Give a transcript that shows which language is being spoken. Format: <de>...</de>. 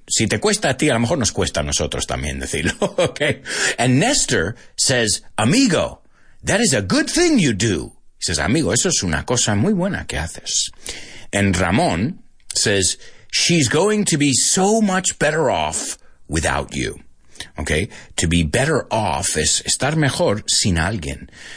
<es>Si te cuesta a ti, a lo mejor nos cuesta a nosotros también decirlo, okay?</es> <en>And Nestor says, amigo, that is a good thing you do. He says,</en> <es>amigo, eso es una cosa muy buena que haces.</es> <en>And Ramon says, she's going to be so much better off without you.</en> <es>Okay,</es> <en>to be better off</en> <es>es estar mejor sin alguien.</es>